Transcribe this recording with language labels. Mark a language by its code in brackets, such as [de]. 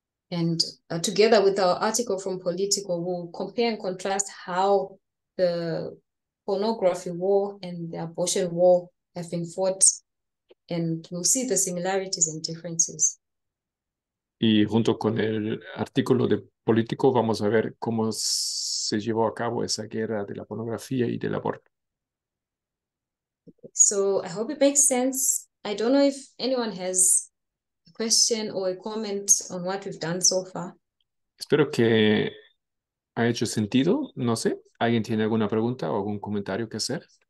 [en] And together with our article from Politico, we'll compare and contrast how the pornography war and the abortion war have been fought. And we'll see the similarities and differences. [es] Y junto con el artículo de Político, vamos a ver cómo se llevó a cabo esa guerra de la pornografía y del aborto. [en] So I hope it makes sense. I don't know if anyone has a question or a comment on what we've done so far. [es] Espero que haya hecho sentido. No sé, ¿alguien tiene alguna pregunta o algún comentario que hacer?